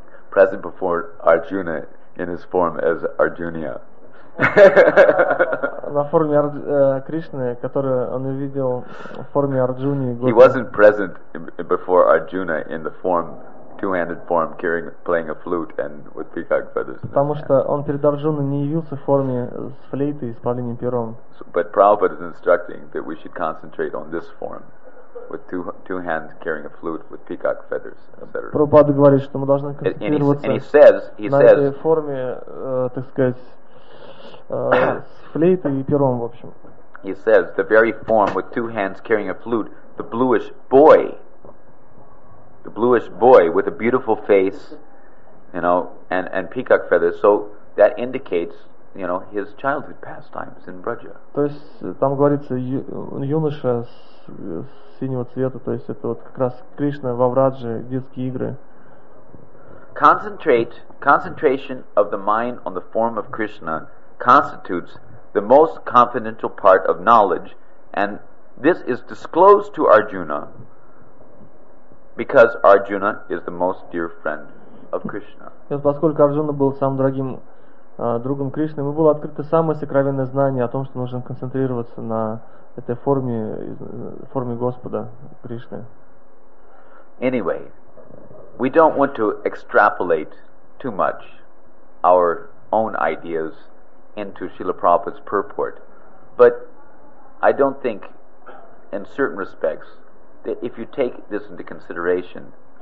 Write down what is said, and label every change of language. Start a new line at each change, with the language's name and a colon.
English: Present before Arjuna in his form as Arjuna.
Russian: На форме Кришны, которую он увидел в форме Арджуны.
English: He wasn't present before Arjuna in the form, two-handed form, carrying, playing a flute and with peacock feathers.
Russian: Потому что он перед Арджуной не явился в форме с флейтой и с павлиньим пером.
English: But Prabhupada is instructing that we should concentrate on this form, with two hands carrying a flute with peacock feathers, etc.
Russian: Прабхупада говорит, что мы должны концентрироваться на этой форме, так сказать. С флейтой и пером, в общем.
English: He says the very form with two hands carrying a flute, the bluish boy with a beautiful face, you know, and peacock feathers. So that indicates, you know, his childhood pastimes in Braja.
Russian: То есть там говорится юноша с синего цвета, то есть это вот как раз Кришна во Врадже, детские игры.
English: Concentration of the mind on the form of Krishna constitutes the most confidential part of knowledge, and this is disclosed to Arjuna because Arjuna is the most dear friend of Krishna.
Russian: Поскольку Арджуна был самым дорогим другом Кришны, ему было открыто самое сокровенное знание о том, что нужно концентрироваться на этой форме Господа Кришны.
English: Anyway, we don't want to extrapolate too much our own ideas into Srila Prabhupada's purport. But I don't think, in certain respects, that if you take this into consideration,